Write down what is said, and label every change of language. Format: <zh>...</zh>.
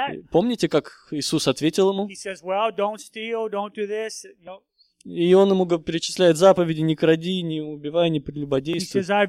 <ru>Помните, как Иисус ответил ему?</ru> <en>Says, well, don't steal, don't do this.</en> <ru>И он ему перечисляет заповеди, не кради, не убивай, не прелюбодействуй.</ru>